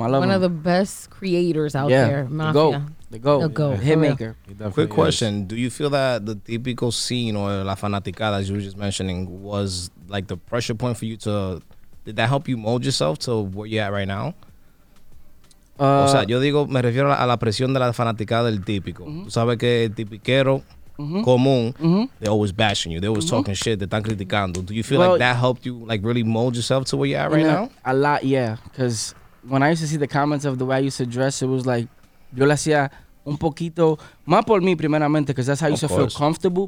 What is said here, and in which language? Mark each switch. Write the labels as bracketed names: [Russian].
[English] One of the best creators out there, Mafia. The GOAT. Hitmaker. Quick question. Do you feel that the typical scene or La Fanaticada, as you were just mentioning, was like the pressure point for you to, did that help you mold yourself to where you're at right now? [Spanish] O sea, yo digo, me refiero a la presión de la fanaticada del típico. Mm-hmm. Tú sabes que el tipiquero mm-hmm. común, mm-hmm. [English] they're always bashing you. They're always mm-hmm. talking shit. They're [Spanish] tan criticando. [English] Do you feel like that helped you, like, really mold yourself to where you're at right now? A lot, yeah. Because when I used to see the comments of the way I used to dress, it was like, [Spanish] yo le hacía un poquito, más por mí primeramente, [English] because that's how I used to feel comfortable.